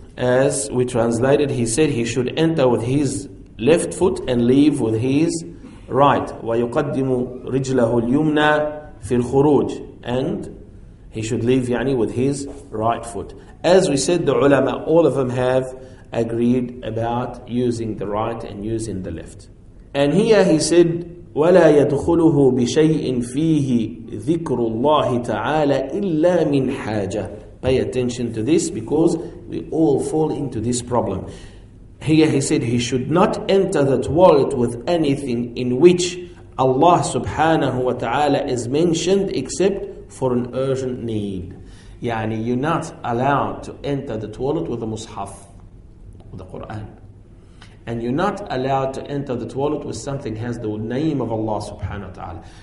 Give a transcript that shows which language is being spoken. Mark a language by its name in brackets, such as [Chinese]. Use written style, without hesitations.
[English] As we translated, he said he should enter with his left foot and leave with his right. [Arabic] وَيُقَدِّمُ رِجْلَهُ الْيُمْنَى فِي الْخُرُوجِ. [English] And he should leave يعني with his right foot. As we said, the ulama, all of them have agreed about using the right and using the left. And here he said, [Arabic] وَلَا يَدْخُلُهُ بِشَيْءٍ فِيهِ ذِكْرُ اللَّهِ تَعَالَى إِلَّا مِنْ حَاجَةٍ. [English] Pay attention to this, because we all fall into this problem. Here he said, he should not enter the toilet with anything in which Allah subhanahu wa ta'ala is mentioned except for an urgent need. يعني you're not allowed to enter the toilet with a mushaf, the Quran, and you're not allowed to enter the toilet with something has the name of Allah subhanahu wa ta'ala.